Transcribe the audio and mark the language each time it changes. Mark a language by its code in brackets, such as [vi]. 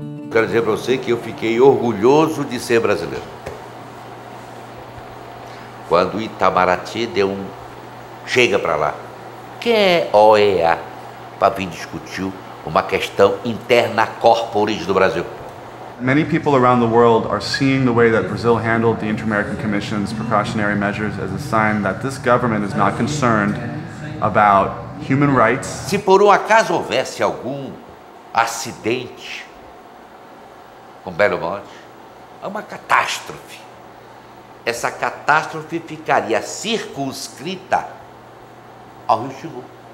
[pt] Quero dizer para você que eu fiquei orgulhoso de ser brasileiro. Quando o Itamaraty chega para lá, quem é OEA para vir discutir uma questão interna corporis do Brasil? [en] Many people around the world are seeing the way that Brazil handled the Inter-American Commission's precautionary measures as a sign that this government is not concerned about human rights. [pt] Se por um acaso houvesse algum acidente com Belo Monte, é uma catástrofe. Essa catástrofe ficaria circunscrita ao Rio Xingu.